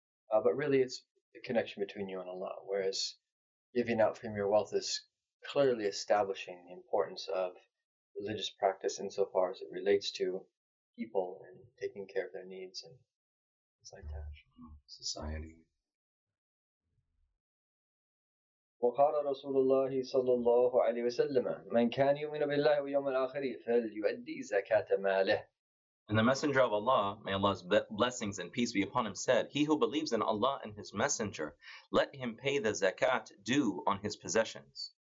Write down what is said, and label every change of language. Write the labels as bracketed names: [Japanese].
[English] But really it's the connection between you and Allah, whereas giving out from your wealth is clearly establishing the importance of religious practice insofar as it relates to people and taking care of their needs and things like that. Society. [Arabic] وقال رسول الله صلى الله عليه وسلم من كان يؤمن بالله واليوم الآخر فليؤدي زكاة ماله [English] And the Messenger of Allah, may Allah's blessings and peace be upon him, said, "He who believes in Allah and his Messenger, let him pay the zakat due on his possessions."